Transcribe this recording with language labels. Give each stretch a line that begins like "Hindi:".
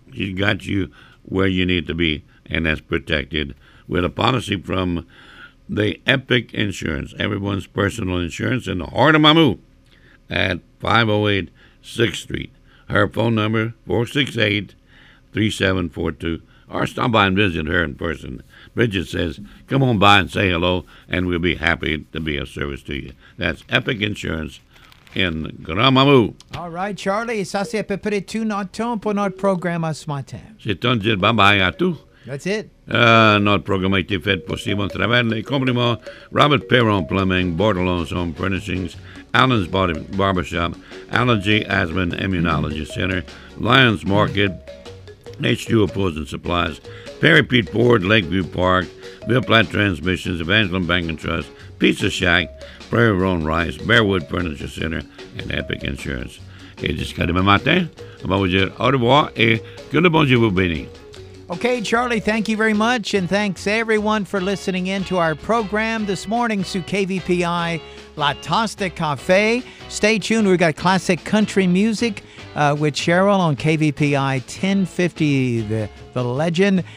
English: She's got you where you need to be, and that's protected with a policy from the Epic Insurance, everyone's personal insurance in the heart of Mamou at 508 6th Street. Her phone number, 468-3742, or stop by and visit her in person. Bridget says, come on by and say hello, and we'll be happy to be of service to you. That's Epic Insurance in Grand Mamou. All right, Charlie.
French: Ça, c'est peu près tout notre temps pour notre programme ce matin. C'est un dire bye-bye à tout.
English: That's it.
French: Notre programme a été fait possible à travers les compliments.
English: Robert Perron Plumbing, Bordelon's Home Furnishings, Allen's Body Barbershop, Allergy, Asthma, and Immunology Center, Lions Market, H2 Opposing Supplies, Perry Pete Ford, Lakeview Park, Ville Platte Transmissions, Evangeline Bank and Trust, Pizza Shack, Prairie Roan Rice, Bearwood Furniture Center, and Epic Insurance.
French: Et jusqu'à demain matin, on va vous dire au revoir et que le bon Dieu vous bénisse.
English: Okay, Charlie, thank you very much, and thanks everyone for listening in to our program this morning, sous KVPI, La Tosta Cafe. Stay tuned, we've got classic country music with Cheryl on KVPI 1050, the legend.